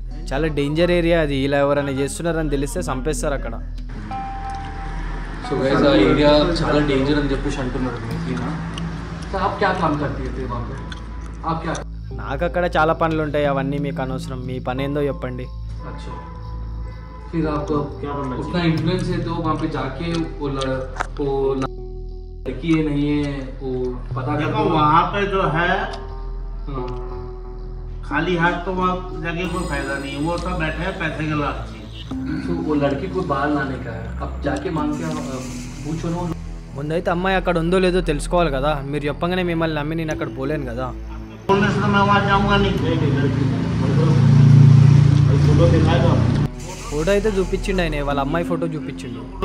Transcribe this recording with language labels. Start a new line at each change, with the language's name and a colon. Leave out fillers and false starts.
Telugu: చాలా danger area అది. ఇలా ఎవరైనా చేస్తున్నారని తెలిస్తే చంపేస్తారు అక్కడ. సో గైస్ ఆ ఏరియా చాలా డేంజర్ అని చెప్పేసి అంటున్నారు. నాకు అక్కడ చాలా పనులు ఉంటాయి, అవన్నీ మీకు అనవసరం. మీ పని ఏందో చెప్పండి.
Hindi: फिर आप तो क्या उतना इन्फ्लुएंस है तो वहाँ पे जाके वो लड़की है नहीं है वो पता करो। वहाँ पे जो है खाली हाथ तो वहाँ जाके कोई फायदा नहीं है, वो सब बैठे हैं पैसे के लालच में। वो लड़की को बाहर लाने का है, अब जाके मांग के पूछो ना।
Telugu: ముందైతే అమ్మాయి అక్కడ ఉందో లేదో తెలుసుకోవాలి కదా, మీరు చెప్పగానే మిమ్మల్ని నమ్మి నేను అక్కడ పోలేను కదా. ఫోటో అయితే చూపించిండు ఆయన, వాళ్ళ అమ్మాయి ఫోటో చూపించిండు.